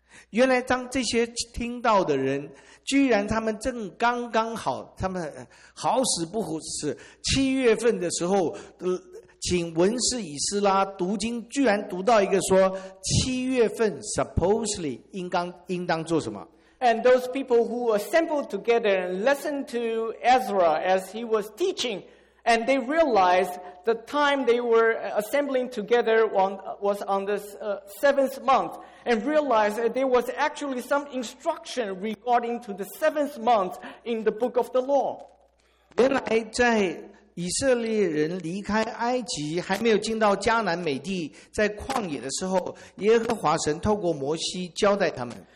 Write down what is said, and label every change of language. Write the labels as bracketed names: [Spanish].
[Chinese] 原来当这些听到的人，居然他们正刚刚好，他们好死不死，七月份的时候，请文士以斯拉读经，居然读到一个说，七月份 supposedly 应当做什么。 [English] And those people who assembled together and listened to Ezra as he was teaching, and they realized the time they were assembling together was on the seventh month, and realized that there was actually some instruction regarding to the seventh month in the book of the law. [Chinese] 原来在以色列人离开埃及，还没有进到迦南美地，在旷野的时候，耶和华神透过摩西交代他们。